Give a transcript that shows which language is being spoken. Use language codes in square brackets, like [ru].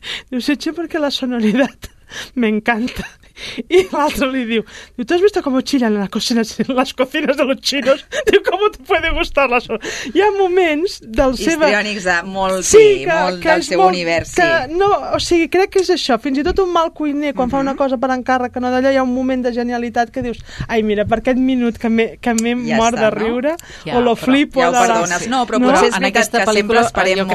[ca] Diu, [es] sé chino [ca] perquè la sonoritat m'encanta. I l'altre li diu, [es] ¿tú has visto cómo chillan las cocinas de los chinos? Diu, ¿cómo te puede gustar la sonora? [ca] Hi ha moments del seu... Histriònics de molt, sí, que del seu univers. Que, no, o sigui, crec que és això. Fins i tot un mal cuiner, quan fa una cosa per encàrrec, que no d'allò, hi ha un moment de genialitat que dius, ai, mira, per aquest minut que m'he ja mort de riure, no? [es] O lo flipo. [ca] Ja ho perdones. No, però potser és veritat que sempre esperem molt, no?